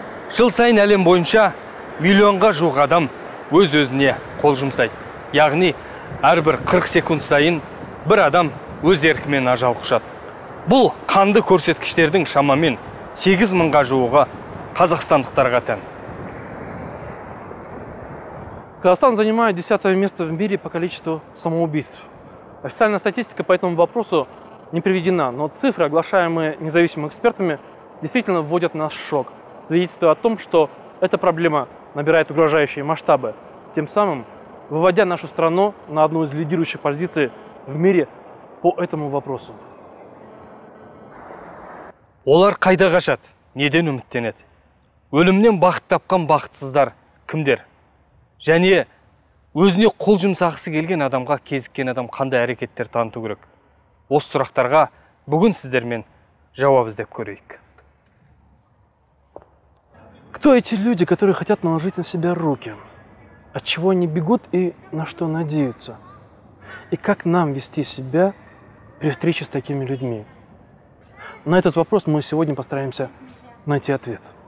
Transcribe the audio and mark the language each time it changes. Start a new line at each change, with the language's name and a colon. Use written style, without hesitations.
Kazakh: Жыл сайын әлем бойынша миллионға жуық адам өз-өзіне қол жұмсайды. Яғни, әрбір 40 секунд сайын бір адам өз еркімен ажал құшады. Бұл қанды көрсеткіштердің шамамен 8 мыңға жуығы қазақстандықтарға тән.
Russian: Казахстан занимает 10-е место в мире по количеству самоубийств. Официальная статистика по этому вопросу не приведена, но цифры, оглашаемые независимыми экспертами, действительно вводят нас в шок, свидетельствуя о том, что эта проблема набирает угрожающие масштабы, тем самым выводя нашу страну на одну из лидирующих позиций в мире по этому вопросу.
Kazakh: Олар қайда қашат, неден үміттенеді? Өлімнен бақыт тапқан бақытсыздар кімдер? Және өзіне қол жұмсағысы келген адамға кезіккен адам қандай әрекеттер таныту керек? Осы сұрақтарға бүгін сіздермен жауап іздеп көрейік.
Russian: Кто эти люди, которые хотят наложить на себя руки? От чего они бегут и на что надеются? И как нам вести себя при встрече с такими людьми? На этот вопрос мы сегодня постараемся найти ответ.